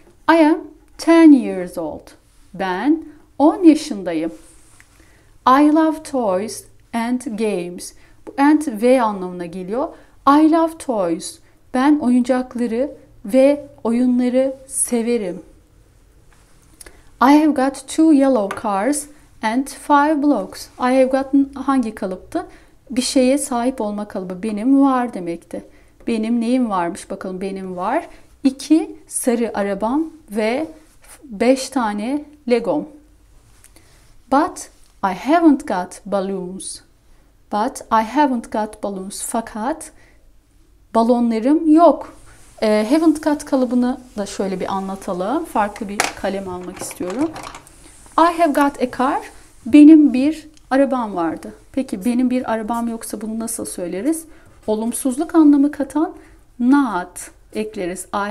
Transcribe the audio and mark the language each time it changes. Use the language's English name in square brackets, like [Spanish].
[English] I am 10 years old. [Turkish] Ben 10 yaşındayım. [English] I love toys and games. [Turkish] Bu and ve anlamına geliyor. [English] I love toys. [Turkish] Ben oyuncakları ve oyunları severim. [English] I have got 2 yellow cars and 5 blocks. I have got [Turkish] hangi kalıptı? Bir şeye sahip olma kalıbı. Benim var demekti. Benim neyim varmış bakalım. Benim var. 2 sarı arabam ve 5 tane Legom. [English] But I haven't got balloons. But I haven't got balloons. [Turkish] Fakat balonlarım yok. Haven't got kalıbını da şöyle bir anlatalım. Farklı bir kalem almak istiyorum. [English] I have got a car. [Turkish] Benim bir arabam vardı. Peki benim bir arabam yoksa bunu nasıl söyleriz? Olumsuzluk anlamı katan not ekleriz.